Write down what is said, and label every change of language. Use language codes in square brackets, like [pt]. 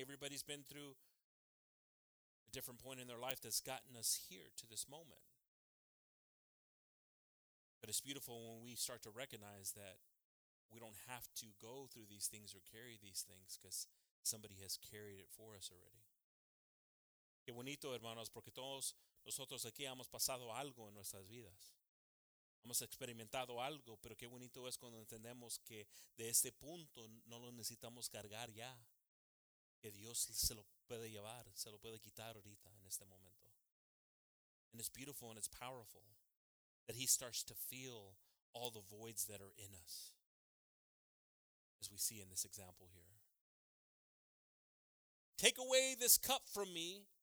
[en] Everybody's been through a different point in their life that's gotten us here to this moment. But it's beautiful when we start to recognize that we don't have to go through these things or carry these things because somebody has carried it for us already. [es] Qué bonito, hermanos, porque todos nosotros aquí hemos pasado algo en nuestras vidas. Hemos experimentado algo, pero qué bonito es cuando entendemos que de este punto no lo necesitamos cargar ya. Que Dios se lo puede llevar, se lo puede quitar ahorita en este momento. [en] And it's beautiful and it's powerful that He starts to feel all the voids that are in us. As we see in this example here. Take away this cup from me.